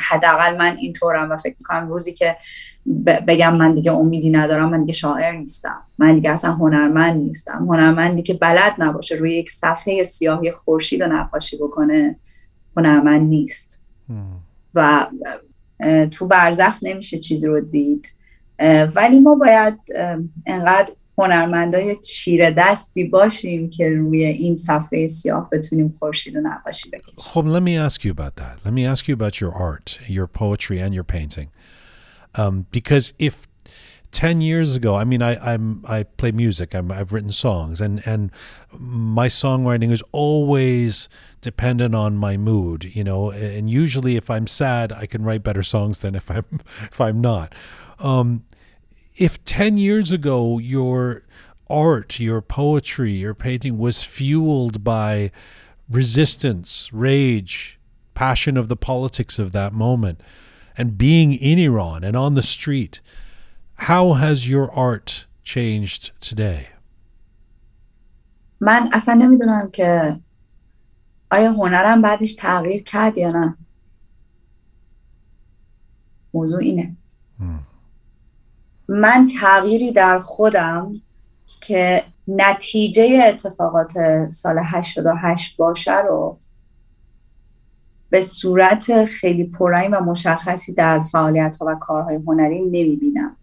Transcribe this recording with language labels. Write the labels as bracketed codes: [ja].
[fa] یعنی حداقل من اینطورم و فکر میکنم روزی که بگم من دیگه امیدی ندارم، من دیگه شاعر نیستم، من دیگه اصلا هنرمند نیستم، هنرمندی که بلد نباشه روی یک صفحه سیاه خورشید رو نقاشی بکنه هنرمند نیست. و تو برزخ نمیشه چیز رو دید، ولی ما باید انقدر هنرمندای چیره دستی باشیم که روی این صفحه سیاه بتونیم خورشید و نقاشی بکشیم. [en] خب let me ask you about that. Let me ask you about your art, your poetry and your painting. Because if 10 years ago, I mean, I play music. I've written songs, and my songwriting is always dependent on my mood, you know. And usually, if I'm sad, I can write better songs than if I'm not. If 10 years ago your art, your poetry, your painting was fueled by resistance, rage, passion of the politics of that moment, and being in Iran and on the street, how has your art changed today? [fa] من اصلا نمیدونم که آیا هنرم بعدش تغییر کرد یا نه. موضوع اینه. من تغییری در خودم که نتیجه اتفاقات سال 88 باشه رو به صورت خیلی پررنگ و مشخصی در فعالیت‌ها و کارهای هنری نمی‌بینم.